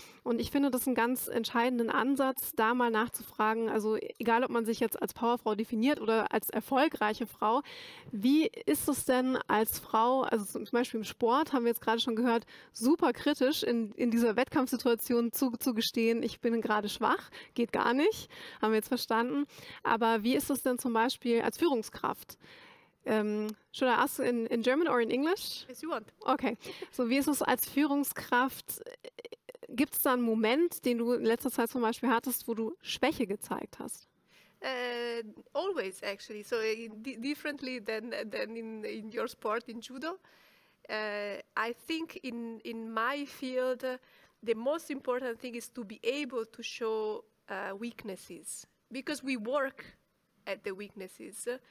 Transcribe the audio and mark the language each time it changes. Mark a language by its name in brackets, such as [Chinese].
[German] Und ich finde das einen ganz entscheidenden Ansatz, da mal nachzufragen, also egal, ob man sich jetzt als Powerfrau definiert oder als erfolgreiche Frau, wie ist es denn als Frau, also zum Beispiel im Sport, haben wir jetzt gerade schon gehört, super kritisch in dieser Wettkampfsituation zugestehen, ich bin gerade schwach, geht gar nicht, haben wir jetzt verstanden. Aber wie ist es denn zum Beispiel als Führungskraft? [English] Should I ask in German or in English? As you want. Okay. [German] So wie ist es als Führungskraft? Gibt es da einen Moment, den du in letzter Zeit zum Beispiel hattest, wo du Schwäche gezeigt hast? [English] Always actually. So differently than in your sport in Judo. I think in my field, the most important thing is to be able to show weaknesses, because we work at the weaknesses.